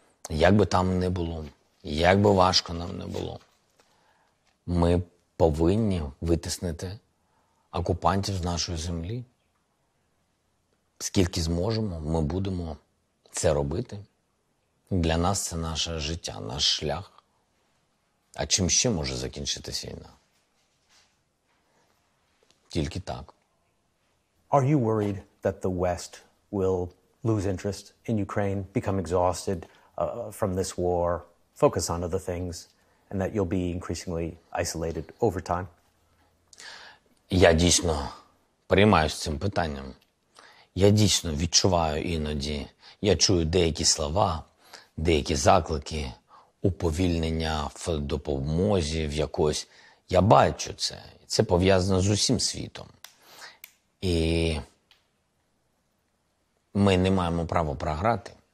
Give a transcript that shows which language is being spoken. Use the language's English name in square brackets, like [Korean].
[Ukrainian] Як би там не було, як би важко нам не було, ми повинні витиснити окупантів з нашої землі. Скільки зможемо, ми будемо це робити. Для нас це наше життя, наш шлях. А чим ще може закінчитися війна? Тільки так. [English] Are you worried that the West will lose interest in Ukraine, become exhausted from this war, focus on other things, and that you'll be increasingly isolated over time? [Ukrainian] Я дійсно переймаюся цим питанням. Я дійсно відчуваю іноді, я чую деякі слова, деякі заклики, уповільнення в допомозі, в якось. Я бачу це. Це пов'язано з усім світом. І ми не маємо права програти.